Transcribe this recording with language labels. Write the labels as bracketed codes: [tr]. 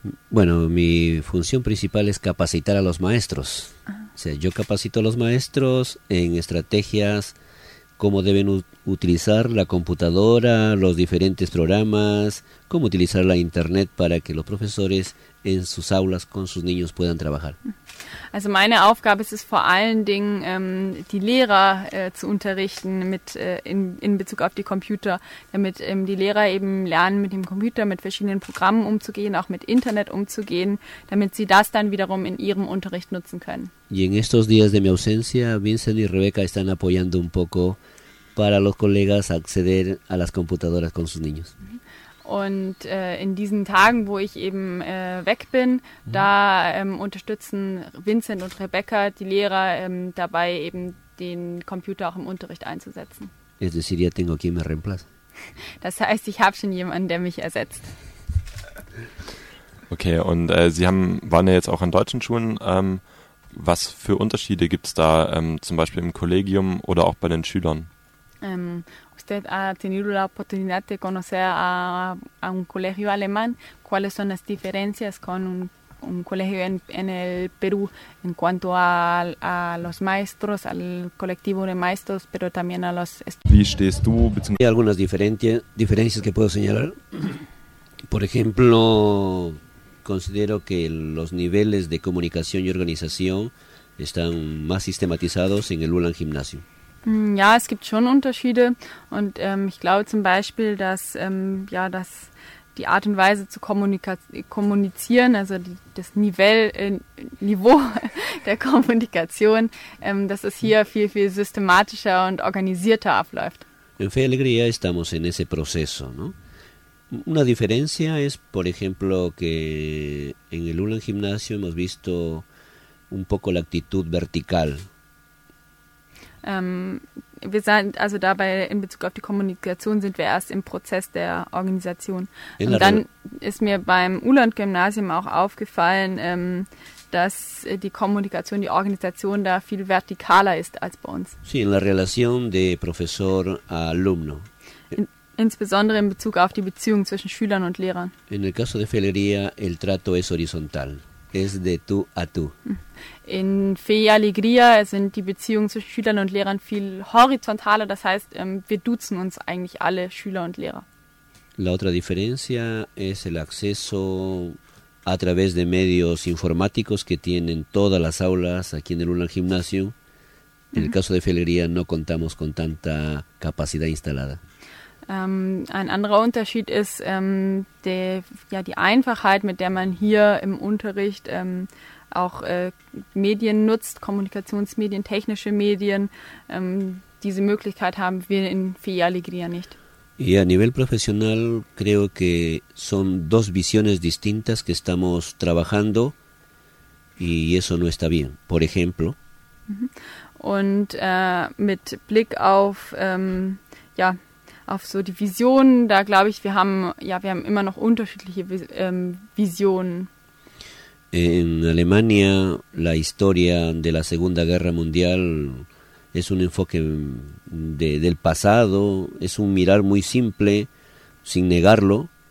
[es] Bueno, mi función principal es capacitar a los maestros. Uh-huh. O sea, yo capacito a los maestros en estrategias, cómo deben utilizar la computadora, los diferentes programas, cómo utilizar la internet para que los profesores en sus aulas con sus niños puedan trabajar. [de] Also meine Aufgabe ist es vor allen Dingen, die Lehrer zu unterrichten in Bezug auf die Computer, damit die Lehrer eben lernen, mit dem Computer, mit verschiedenen Programmen umzugehen, auch mit Internet umzugehen, damit sie das dann wiederum in ihrem Unterricht nutzen können. [es] Y en estos días de mi ausencia, Vincent y Rebecca están apoyando un poco para los colegas acceder a las computadoras con sus niños. [de] Und in diesen Tagen, wo ich eben weg bin, da unterstützen Vincent und Rebecca die Lehrer dabei, eben den Computer auch im Unterricht einzusetzen. [es] Es decir, ya tengo quien me reemplaza. [de] Das heißt, ich habe schon jemanden, der mich ersetzt. Okay, und Sie waren ja jetzt auch an deutschen Schulen. Was für Unterschiede gibt es da zum Beispiel im Kollegium oder auch bei den Schülern? [es] ¿Usted ha tenido la oportunidad de conocer a un colegio alemán? ¿Cuáles son las diferencias con un colegio en el Perú en cuanto a los maestros, al colectivo de maestros, pero también a los estudiantes? Hay algunas diferencias que puedo señalar. Por ejemplo, considero que los niveles de comunicación y organización están más sistematizados en el ULAN Gimnasio. [de] Ja, es gibt schon Unterschiede und ich glaube zum Beispiel, dass, dass die Art und Weise zu kommunizieren, also das Niveau der Kommunikation, dass es hier viel, viel systematischer und organisierter abläuft. [es] En Fe y Alegría estamos en ese proceso, ¿no? Una diferencia es, por ejemplo, que en el ULAN Gimnasio hemos visto un poco la actitud vertical. [de] Wir sind also dabei in Bezug auf die Kommunikation sind wir erst im Prozess der Organisation. Und dann ist mir beim ULAN-Gymnasium auch aufgefallen, dass die Kommunikation, die Organisation da viel vertikaler ist als bei uns. [es] Sí, en la relación de profesor a alumno. [de] Insbesondere in Bezug auf die Beziehung zwischen Schülern und Lehrern. [es] En el caso de Fe y Alegría, el trato es horizontal. Es de tú a tú. [de] In Fe y Alegría sind die Beziehungen zwischen Schülern und Lehrern viel horizontaler, das heißt, wir duzen uns eigentlich alle Schüler und Lehrer. [es] La otra diferencia es el acceso a través de medios informáticos que tienen todas las aulas aquí en el ULAN Gimnasio. En el caso de Fe y Alegría no contamos con tanta capacidad instalada. [de] Ein anderer Unterschied ist die Einfachheit, mit der man hier im Unterricht auch Medien nutzt, Kommunikationsmedien, technische Medien. Diese Möglichkeit haben wir in Fiy Alegría nicht. [es] Y a nivel profesional creo que son dos visiones distintas que estamos trabajando y eso no está bien. Por ejemplo. [de] Und mit Blick auf ja auf so die Visionen, da glaube ich, wir haben immer noch unterschiedliche Visionen. [es] En Alemania la historia de la Segunda Guerra Mundial es un enfoque del pasado, es un mirar muy simple, sin negarlo.